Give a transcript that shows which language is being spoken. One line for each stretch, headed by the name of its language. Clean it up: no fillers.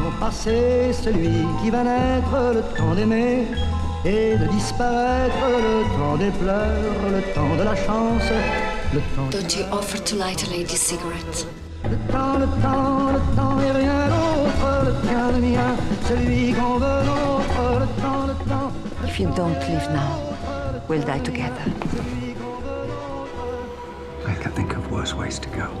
French: C'est celui qui va naître, le temps d'aimer et de disparaître, le temps des pleurs, le temps de la chance, le temps.
English: Don't you offer to light a lady's cigarette?
French: Le temps et rien d'autre, le tien, le mien, celui qu'on veut l'autre, le temps.
English: If you don't leave now, we'll die together. I can think of worse ways to go.